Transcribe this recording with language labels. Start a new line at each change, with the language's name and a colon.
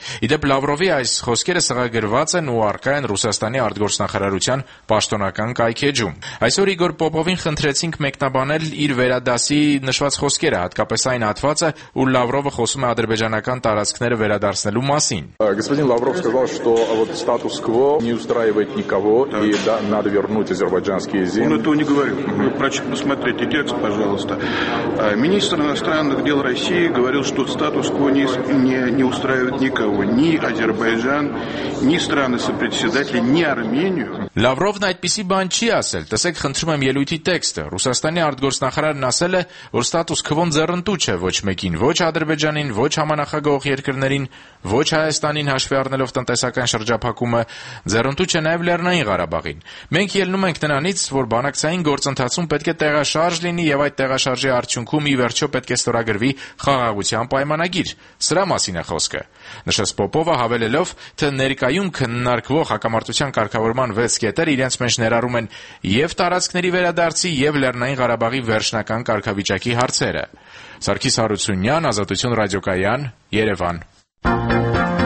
Armenian: Իդեպ Լավրովի այս խոսքերը սղագրված են ու առկա են Ռուսաստանի արտգործնախարարության պաշտոնական կայքեջում։ Այսօր Իգոր Պոպովին խնդրեցինք մեկնաբանել իր վերադասի նշված խոսքերը, հատկապես այն հատվածը, ուր Լավրովը խոսում է ադրբեջանական տարածքները վերադարձնելու մասին։
Russian: Господин Лавров сказал, что вот статус кво не устраивает никого и надо вернуть азербайджанские земли. Он этого не говорил. Значит, посмотрите текст, пожалуйста. Министр иностранных дел России говорил, что статус кво не устраивает никого, ни Азербайджан, ни страны сопредседателя, ни Армению.
Armenian: Լավրովն այդպիսի բան չի ասել, տեսեք, խնդրում եմ ելույթի տեքստը։ Ռուսաստանի արտգործնախարարն ասել է, որ ստատուս քվոն ձեռնտու չէ ոչ մեկին, ոչ Ադրբեջանին, ոչ համանախագահող երկրներին, ոչ Հայաստանին, հաշվի առնելով տնտեսական շրջափակումը, ձեռնտու չէ նաև Լեռնային Ղարաբաղին։ Մենք ելնում ենք նրանից, որ բանակցային գործընթացում պետք է տեղաշարժ լինի եւ այդ տեղաշարժի արդյունքում ի վերջո պետք է ստորագրվի խաղաղության պայմանագիր։ Սրա մասին է խոսքը։ Նշեց Պոպովը, հավելելով, թե ներկայում քննարկվող հակամարտության կարգավորման սկետերը իրենց մեջ ներառում են և տարածքների վերադարձի, և Լեռնային Ղարաբաղի վերջնական կարգավիճակի հարցերը։ Սարգիս Հարությունյան, Ազատություն ռադիոկայան, Երևան։